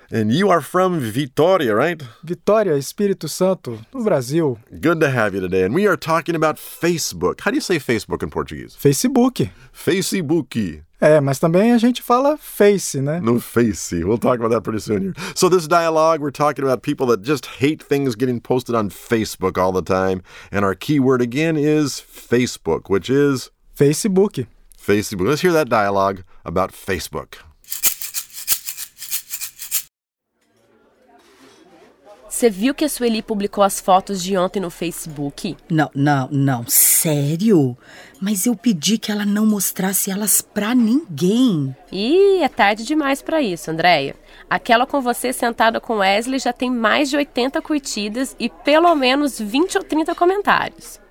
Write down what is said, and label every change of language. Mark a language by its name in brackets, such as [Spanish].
[English] And you are from Vitória, right? [Portuguese] Vitória, Espírito Santo, no Brasil. [English] Good to have you today. And we are talking about Facebook. How do you say Facebook in Portuguese? Facebook. Facebook. [Portuguese] É, mas também a gente fala face, né? No face. [English] We'll talk about that pretty soon here. So this dialogue, we're talking about people that just hate things getting posted on Facebook all the time. And our key word again is Facebook, which is... Facebook. Facebook. Let's hear that dialogue about Facebook. [Portuguese] Você viu que a Sueli publicou as fotos de ontem no Facebook? Não. Sério? Mas eu pedi que ela não mostrasse elas pra ninguém. Ih, é tarde demais pra isso, Andréia. Aquela com você sentada com Wesley já tem mais de 80 curtidas e pelo menos 20 ou 30 comentários.